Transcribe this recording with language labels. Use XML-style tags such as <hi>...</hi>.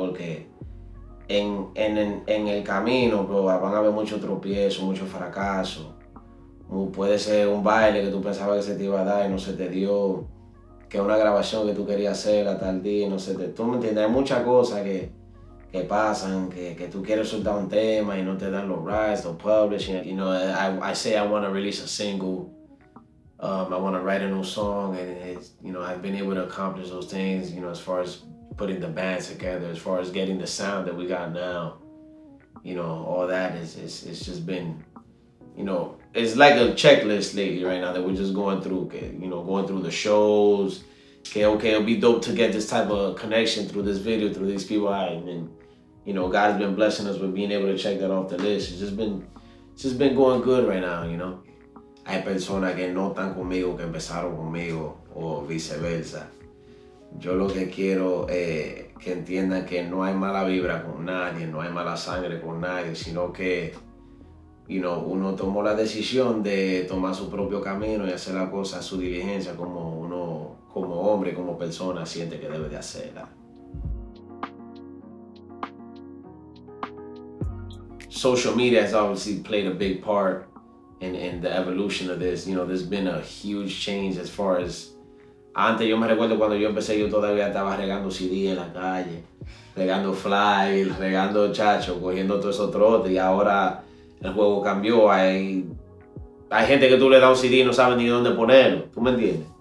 <es>Porque en el camino, bro, van a haber muchos tropiezos, muchos fracasos. Puede ser un baile que tú pensabas que se te iba a dar y no se te dio. Que una grabación que tú querías hacer a tal día y no se te... Tú me entiendes, hay muchas cosas que pasan, que tú quieres soltar un tema y no te dan los rights, los publishing.</es> <en>You know, I say I want to release a single. I want to write a new song, and it's, you know, I've been able to accomplish those things, you know, as far as putting the band together, as far as getting the sound that we got now, you know, all that is just been, you know, it's like a checklist lately right now that we're just going through, you know, going through the shows. Okay, it'll be dope to get this type of connection through this video, through these people. I mean, you know, God's been blessing us with being able to check that off the list. It's just been going good right now, you know.</en> <es>Hay personas que no están conmigo, que empezaron conmigo, o viceversa. Yo lo que quiero es que entiendan que no hay mala vibra con nadie, no hay mala sangre con nadie, sino que, you know, uno tomó la decisión de tomar su propio camino y hacer la cosa a su diligencia como uno, como hombre, como persona, siente que debe de hacerla.</es> <en>Social media has obviously played a big part in the evolution of this. You know, there's been a huge change as far as...</en> <es>Antes, yo me recuerdo cuando yo empecé, yo todavía estaba regando CD en la calle, regando fly, regando chacho, cogiendo todo eso trote, y ahora el juego cambió. Hay gente que tú le das un CD y no sabes ni dónde ponerlo, ¿tú me entiendes?</es>